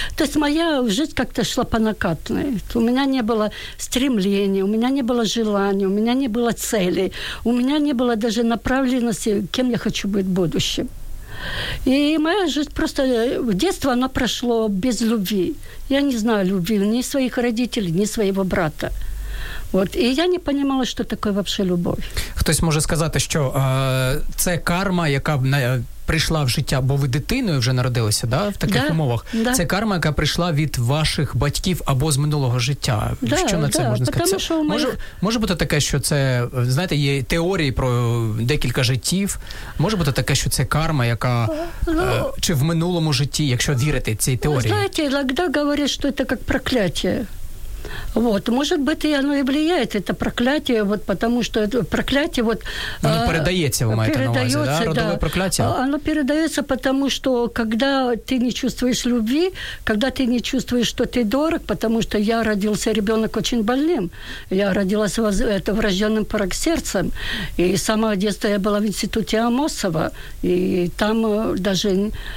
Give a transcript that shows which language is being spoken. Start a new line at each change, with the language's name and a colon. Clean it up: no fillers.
Russian: То есть моя жизнь как-то шла по накатной. У меня не было стремлений, у меня не было желаний, у меня не было целей, у меня не было даже направленности, кем я хочу быть в будущем. И моя жизнь просто... Детство, оно прошло без любви. Я не знаю любви ни своих родителей, ни своего брата.
Ukrainian: От і я не розуміла, що таке взагалі любов. Хтось може сказати, що це карма, яка прийшла в життя, бо ви дитиною вже народилися, да, в таких умовах. Да. Це карма, яка прийшла від ваших батьків або з минулого життя. Да, що на це можна сказати? Тому, що моїх... може бути таке, що це, знаєте, є теорії про декілька життів. Може бути таке, що це карма, яка чи в минулому житті, якщо вірити цій теорії. Знаєте, іноді говорять, що це як прокляття.
Russian: Вот, может быть, и оно и влияет, это проклятие, вот, потому что проклятие... Вот, оно передается,
Ukrainian: вы маете на увазе,
Russian: да? Родовое проклятие. Оно передается, потому что когда ты не чувствуешь любви, когда ты не чувствуешь, что ты дорог, потому что я родился ребенок очень больным, я родилась это врожденным порок сердцем, и с самого детства я была в институте Амосова, и там даже...